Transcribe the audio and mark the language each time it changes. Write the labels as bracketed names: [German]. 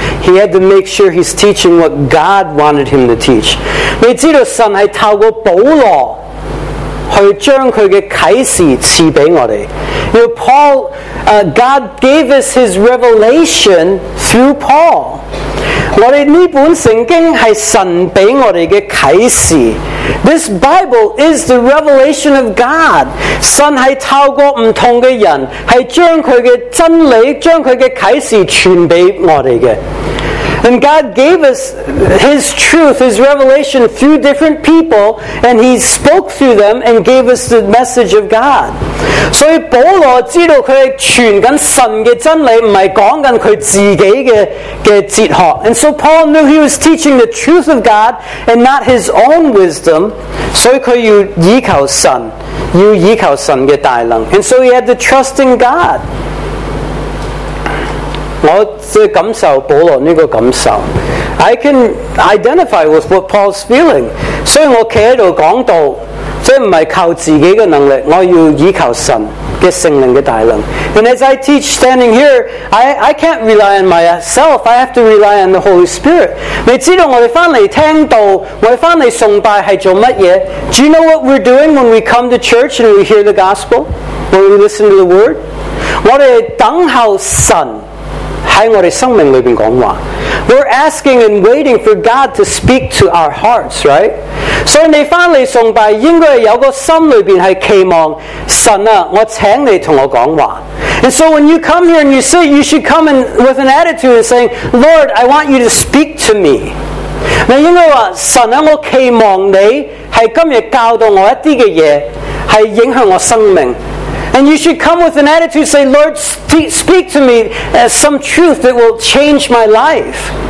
[English] He had to make sure he's teaching what God wanted him to teach. [Chinese] 你知道神是透过保罗去将他的启示赐给我们。 [English] You know, Paul, God gave us his revelation through Paul. [Chinese] 我们这本圣经是神给我们的启示。 [English] This Bible is the revelation of God. [Chinese] 神是透过不同的人，是将他的真理，将他的启示传给我们的。 [English] And God gave us His truth, His revelation through different people, and He spoke through them and gave us the message of God. [Chinese] So, 保罗知道他是传紧神的真理，不是讲紧他自己的哲学。 [English] And so, Paul knew he was teaching the truth of God and not his own wisdom. [Chinese] So, 他要依靠神，要依靠神的大能。 [English] And so, he had to trust in God. [Chinese] 我的感受，保罗这个感受 [English] I can identify with what Paul's feeling. [Chinese] 所以我站在这里讲道，所以不是靠自己的能力，我要依靠神的圣灵的大能。 [English] And as I teach standing here, I can't rely on myself, I have to rely on the Holy Spirit. [Chinese] 你知道我们回来听道，我们回来崇拜是做什么？ [English] Do you know what we're doing when we come to church and we hear the gospel? when we listen to the word. [Chinese] 我们等候神 在我们生命里面说话。 [English] We're asking and waiting for God to speak to our hearts, right? [Chinese] 所以你回来崇拜, 应该有个心里面是期望, 神啊, 我请你跟我说话。 [English] And so when you come here and you sit, you should come in with an attitude and saying, Lord, I want you to speak to me. [Chinese] 那应该说, 神啊, 我期望你, 是今天教导我一些东西, 是影响我生命。 [English] And you should come with an attitude, say, Lord, speak to me as some truth that will change my life.